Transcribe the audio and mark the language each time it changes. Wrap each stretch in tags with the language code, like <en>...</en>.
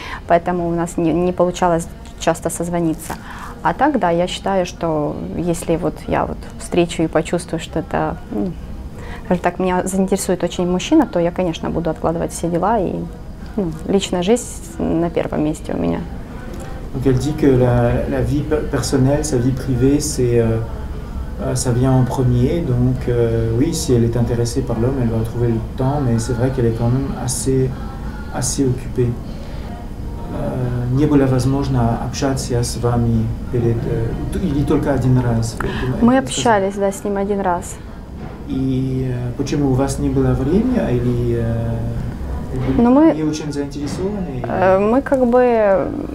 <ru>Поэтому у нас не получалось часто созвониться. А так, да, я считаю, что если вот я вот встречу и почувствую, что это, скажем так, меня заинтересует очень мужчина, то я, конечно, буду откладывать все дела, и личная жизнь на первом месте у меня.</ru> <fr>Donc elle dit que la vie personnelle, sa vie privée, ça vient en premier. Donc oui, si elle est intéressée par l'homme, elle va trouver le temps, mais c'est vrai qu'elle est quand même assez occupée.</fr> <ru>Не было возможно общаться с вами перед... Или только один раз? Мы общались, да, с ним один раз. И почему у вас не было времени, или... Не очень заинтересованы? Мы как бы...</ru>